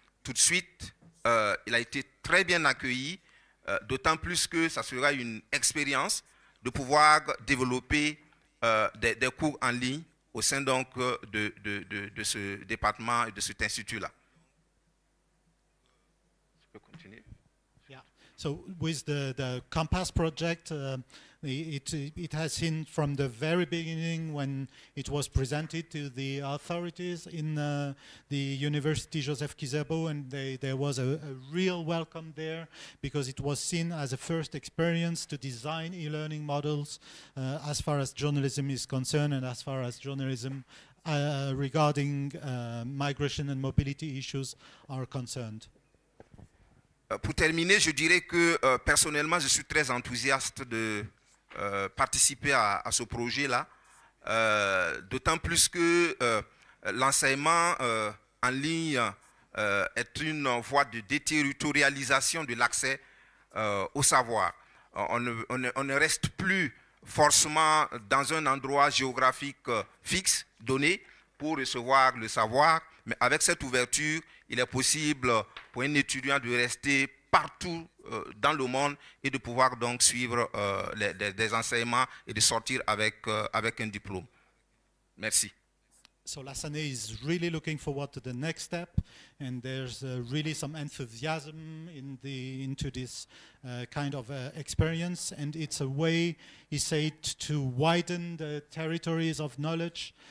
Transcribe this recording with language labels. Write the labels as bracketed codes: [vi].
[fr] Tout de suite, il a été très bien accueilli, d'autant plus que ça sera une expérience de pouvoir développer des cours en ligne au sein donc de ce département et de cet institut-là. Je peux continuer? [en] So with the Compass project, it has seen from the very beginning when it was presented to the authorities in the University Joseph Kizerbo, and there was a real welcome there because it was seen as a first experience to design e-learning models as far as journalism is concerned and as far as journalism regarding migration and mobility issues are concerned. [fr] Pour terminer, je dirais que personnellement, je suis très enthousiaste de participer à ce projet-là, d'autant plus que l'enseignement en ligne être une voie de déterritorialisation de l'accès au savoir. On ne reste plus forcément dans un endroit géographique fixe, donné, pour recevoir le savoir. Mais avec cette ouverture, il est possible pour un étudiant de rester partout dans le monde et de pouvoir donc suivre des enseignements et de sortir avec un diplôme. Merci. [en] So Lassane is really looking forward to the next step, and there's really some enthusiasm into this kind of experience, and it's a way, he said, to widen the territories of knowledge.